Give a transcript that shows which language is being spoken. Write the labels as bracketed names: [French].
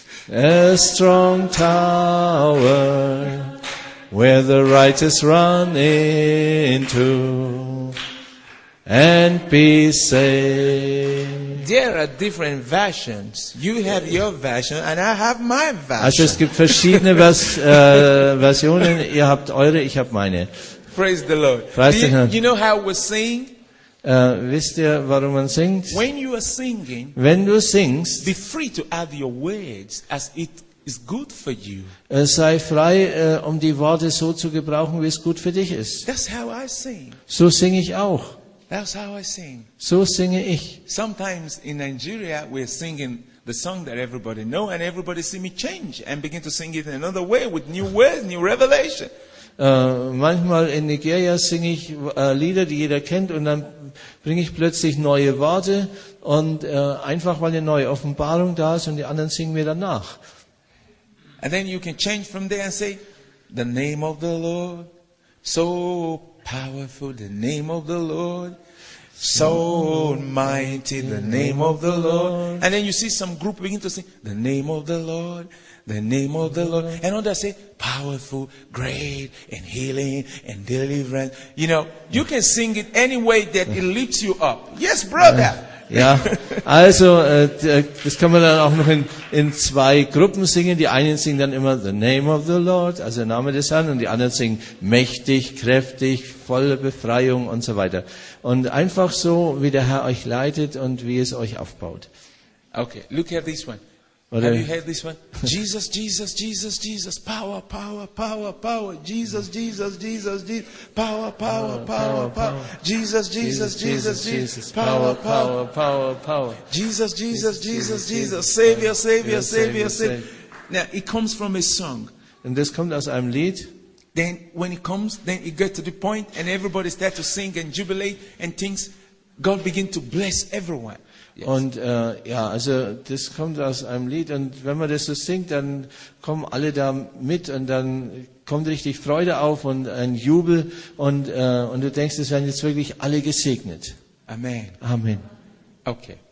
[English] a strong tower where the righteous run into and be saved. There are different versions. You have your version and I have my version. [German] Also es gibt verschiedene Versionen. Ihr habt eure, ich habe meine. [English] Praise the Lord. Do you know how we sing? [German] Wisst ihr, warum man singt? [English] When you are singing, [German] wenn du singst, [English] be free to add your words as it is good for you. [German] Sei frei, um die Worte so zu gebrauchen, wie es gut für dich ist. [English] That's how I sing. [German] So singe ich auch. [English] That's how I sing. [German] So singe ich. [English] Sometimes in Nigeria we're singing the song that everybody know, and everybody see me change and begin to sing it in another way with new words, new revelation. [German] Manchmal in Nigeria singe ich Lieder, die jeder kennt, und dann bringe ich plötzlich neue Worte, und einfach weil eine neue Offenbarung da ist, und die anderen singen mir danach. [English] And then you can change from there and say, the name of the Lord, so powerful, the name of the Lord, so mighty, the name of the Lord. And then you see some group begin to sing, the name of the Lord, the name of the Lord. And others say, powerful, great, and healing, and deliverance. You know, you can sing it any way that it lifts you up. Yes, brother. [German] Ja, also das kann man dann auch noch in zwei Gruppen singen. Die einen singen dann immer [English] the name of the Lord, [German] also der Name des Herrn, und die anderen singen mächtig, kräftig, volle Befreiung und so weiter. Und einfach so, wie der Herr euch leitet und wie es euch aufbaut. [English] Okay, look at this one. Oder have you heard this one? Jesus, Jesus, Jesus, Jesus, power, power, power, power. Jesus, Jesus, Jesus, Jesus, power, power, power, power. Jesus, Jesus, Jesus, Jesus, power, power, power, power. Jesus, Jesus, Jesus, Jesus, Savior, Savior, Savior, Savior. Now it comes from a song. And this comes [German] aus einem Lied. [English] Then when it comes, then it gets to the point, and everybody starts to sing and jubilate, and things God begin to bless everyone. Yes. [German] Und ja, also das kommt aus einem Lied, und wenn man das so singt, dann kommen alle da mit, und dann kommt richtig Freude auf und ein Jubel, und du denkst, es werden jetzt wirklich alle gesegnet. Amen. Amen. Okay.